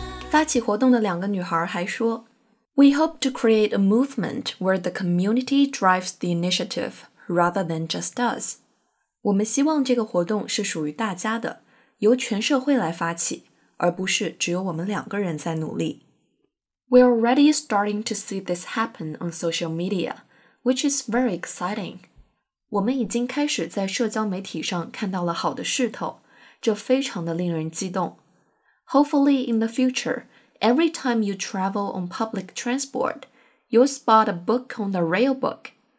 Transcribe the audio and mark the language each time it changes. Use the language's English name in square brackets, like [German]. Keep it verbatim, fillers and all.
[Chinese] 发起活动的两个女孩还说 [English] We hope to create a movement where the community drives the initiative rather than just us. [Chinese] 我们希望这个活动是属于大家的，由全社会来发起，而不是只有我们两个人在努力。 [English] We're already starting to see this happen on social media, which is very exciting. [Chinese] 我们已经开始在社交媒体上看到了好的势头，这非常的令人激动。 [English] Hopefully in the future, every time you travel on public transport, you'll spot a book on the rail book.